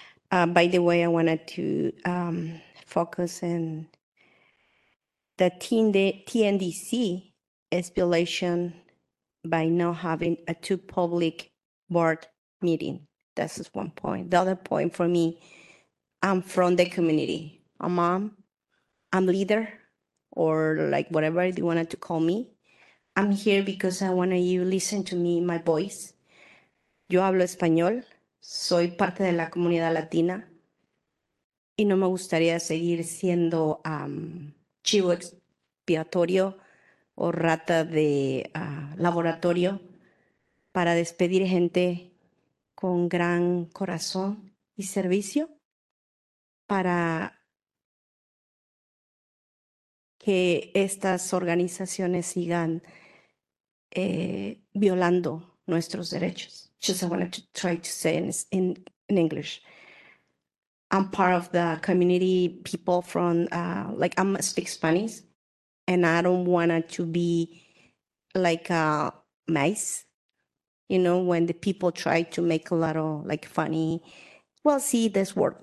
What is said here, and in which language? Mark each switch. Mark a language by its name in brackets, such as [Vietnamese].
[English] By the way, I wanted to focus on the TNDC expulsion by not having a two public board meeting. That's one point. The other point for me, I'm from the community. I'm mom, I'm leader, or like whatever you wanted to call me. I'm here because I want you to listen to me, my voice. [Spanish] Yo hablo español. Soy parte de la comunidad latina y no me gustaría seguir siendo chivo expiatorio o rata de laboratorio para despedir gente con gran corazón y servicio para que estas organizaciones sigan violando nuestros derechos. [English] Just I wanted to try to say in English. I'm part of the community people from, like, I speak Spanish, and I don't want it to be like a mice, you know, when the people try to make a little, like, funny, well, see, this work.